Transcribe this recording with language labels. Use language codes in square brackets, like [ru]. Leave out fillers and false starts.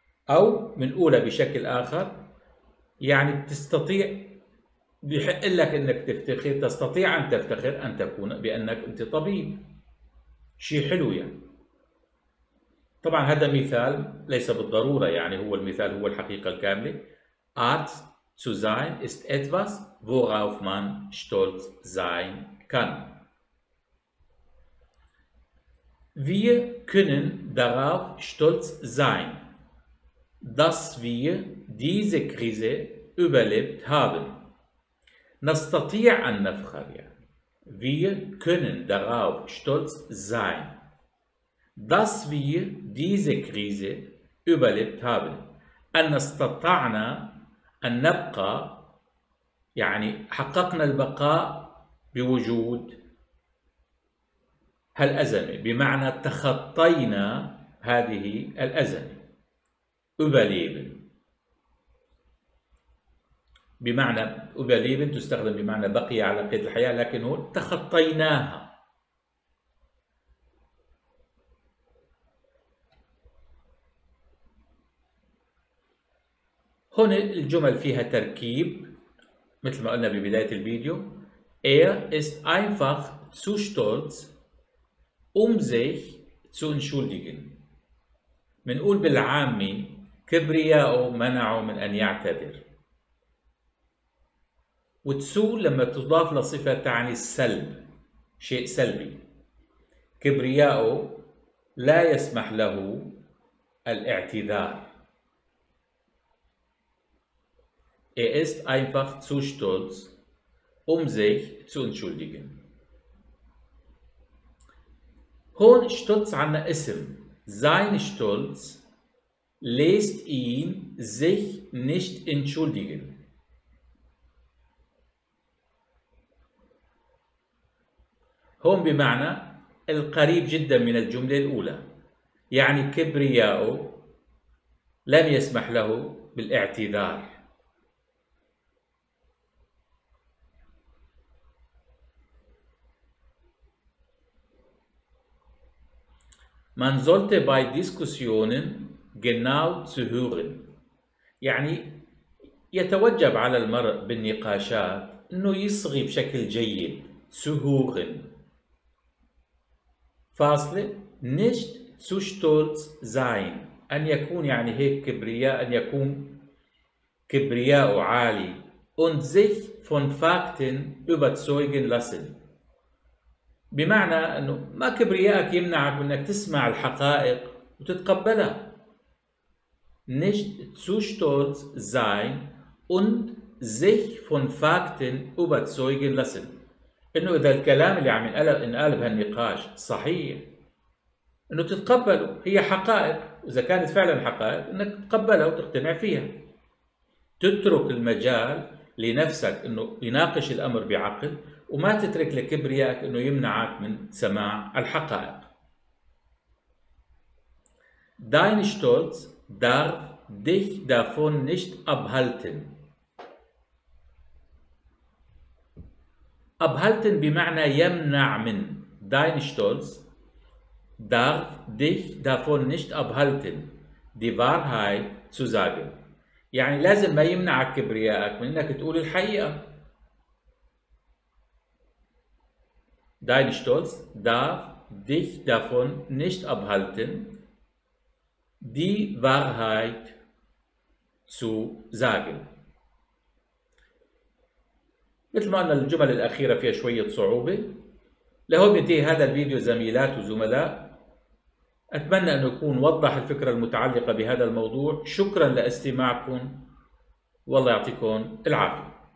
[ar] او من اولى بشكل اخر يعني تستطيع، بيحق لك انك تفتخر، تستطيع ان تفتخر ان تكون بانك انت طبيب، شيء حلو يعني. طبعا هذا مثال ليس بالضروره يعني هو المثال هو الحقيقه الكامله. [de] Arzt zu sein ist etwas worauf man stolz sein kann. Wir können darauf stolz sein, dass wir diese Krise überlebt haben. [ar] نستطيع أن نفخر يعني. [de] Wir können darauf stolz sein, dass wir diese Krise überlebt haben. [ar] أن استطعنا أن نبقى يعني حققنا البقاء بوجود هالأزمة، بمعنى تخطينا هذه الأزمة. überleben بمعنى überleben تستخدم بمعنى بقي على قيد الحياة، لكن هو تخطيناها. هون الجمل فيها تركيب مثل ما قلنا ببداية الفيديو. [de] Er ist einfach zu stolz, um sich zu entschuldigen. [ar] منقول بالعامي كبرياءه منعه من أن يعتذر. وتسو لما تضاف لصفة تعني السلب، شيء سلبي. كبرياءه لا يسمح له الاعتذار. [de] ist einfach zu stolz, sich zu entschuldigen. [ar] هون stolz عنا اسم. [de] Sein Stolz lässt ihn sich nicht entschuldigen. [ar] هون بمعنى القريب جدا من الجملة الأولى، يعني كبرياءه لم يسمح له بالاعتذار. [de] Man sollte bei Diskussionen genau zuhören. [ar] يعني يتوجب على المرء بالنقاشات انه يصغي بشكل جيد. [de] Zuhören. [ar] فاصلة. [de] Nicht zu stolz sein. [ar] ان يكون يعني هيك كبرياء، ان يكون كبرياءه عالي. [de] Und sich von Fakten überzeugen lassen. [ar] بمعنى أنه ما كبرياءك يمنعك من أنك تسمع الحقائق وتتقبلها. [de] Nicht zu stolz sein und sich von Fakten überzeugen lassen. [ar] أنه إذا الكلام اللي عم ينقال بهالنقاش صحيح أنه تتقبله، هي حقائق، وإذا كانت فعلا حقائق أنك تتقبلها وتقتنع فيها. تترك المجال لنفسك أنه يناقش الأمر بعقل، وما تترك لكبريائك انه يمنعك من سماع الحقائق. [de] Dein Stolz darf dich davon nicht abhalten. [ar] Abhalten بمعنى يمنع من. [de] Dein Stolz darf dich davon nicht abhalten, die Wahrheit zu sagen. [ar] يعني لازم ما يمنعك كبريائك من انك تقول الحقيقة. [de] Dein Stolz darf dich davon nicht abhalten, die Wahrheit zu sagen. [ar] مثل ما قلنا الجمل الأخيرة فيها شوية صعوبة. لهون ينتهي هذا الفيديو زميلات وزملاء. أتمنى أن يكون وضح الفكرة المتعلقة بهذا الموضوع. شكرا لاستماعكم، والله يعطيكم العافية.